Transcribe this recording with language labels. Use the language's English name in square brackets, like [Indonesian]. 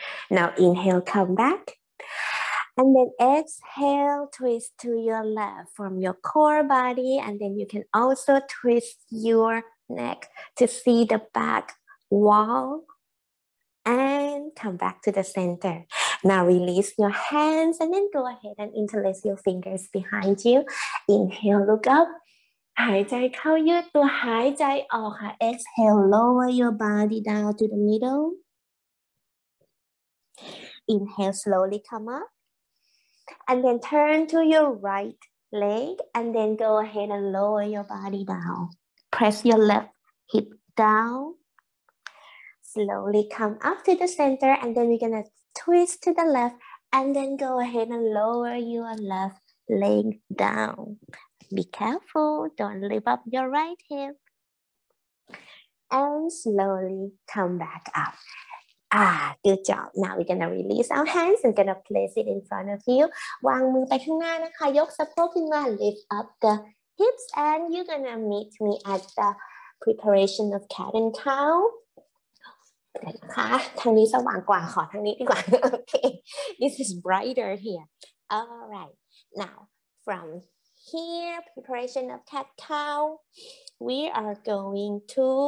[English] Now inhale, come back and then exhale, twist to your left from your core body and then you can also twist your neck to see the backWall and come back to the center. Now release your hands and then go ahead and interlace your fingers behind you. Inhale, look up. [Thai] หายใจเข้ายืดตัวหายใจออกค่ะ. [English] Exhale, lower your body down to the middle. Inhale, slowly come up. And then turn to your right leg and then go ahead and lower your body down. Press your left hip down. Slowly come up to the center and then you're gonna twist to the left and then go ahead and lower your left leg down. Be careful, don't lift up your right hip. And slowly come back up. Ah, good job. Now we're gonna release our hands and gonna place it in front of you. [Thai] วางมือไปข้างหน้านะคะ ยกสะโพกขึ้นมา [English] lift up the hips and you're gonna meet me at the preparation of cat and cow. [Thai] เดี๋ยวนะคะทางนี้สว่างกว่าขอทางนี้ดีกว่าโอเค [English] this is brighter here all right now from here preparation of cacao we are going to